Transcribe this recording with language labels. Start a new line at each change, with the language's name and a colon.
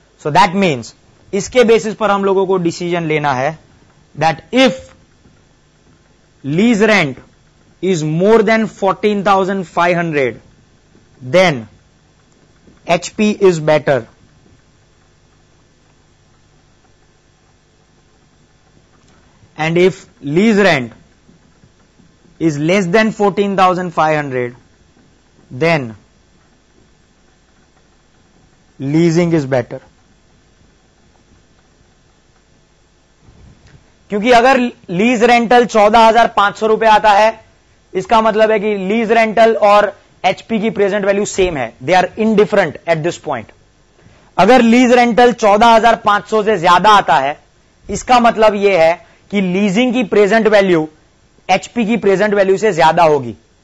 English: so that means
Hindi: इसके basis पर हम लोगों को डिसीजन लेना है
English: That if lease rent is more than 14,500, then HP is better. And if lease rent is less than 14,500, then leasing is better.
Hindi: क्योंकि अगर lease rental 14,500 रुपए आता है, इसका मतलब है कि लीज रेंटल और एचपी की प्रेजेंट वैल्यू सेम है,
English: They are indifferent at this point.
Hindi: अगर लीज रेंटल 14,500 से ज्यादा आता है, इसका मतलब यह है कि लीजिंग की प्रेजेंट वैल्यू एचपी की प्रेजेंट वैल्यू से ज्यादा होगी.